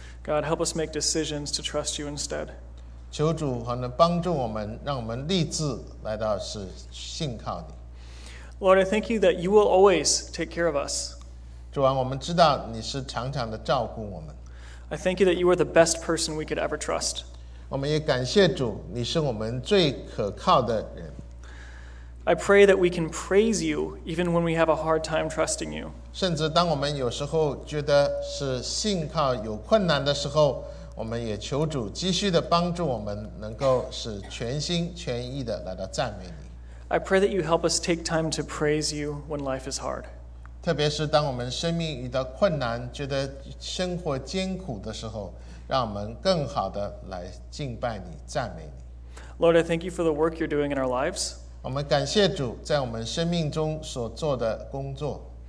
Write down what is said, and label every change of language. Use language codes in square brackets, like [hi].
[en] God, help us make decisions to trust you instead. [zh] 求主能帮助我们，让我们立志来到是信靠你。 [en] Lord, I thank you that you will always take care of us. [zh] 主啊，我们知道你是常常的照顾我们。 [en] I thank you that you are the best person we could ever trust. [zh] 我们也感谢主，你是我们最可靠的人。 [en] I pray that we can praise you even when we have a hard time trusting you. [zh] 甚至当我们有时候觉得是信靠有困难的时候，我们也求主继续的帮助我们，能够是全心全意的来到赞美你。 [en] I pray that you help us take time to praise you when life is hard. [zh] 特别是当我们生命遇到困难，觉得生活艰苦的时候，让我们更好的来敬拜你，赞美你。 [en] Lord, I thank you for the work you're doing in our lives. [zh] 我们感谢主在我们生命中所做的工作。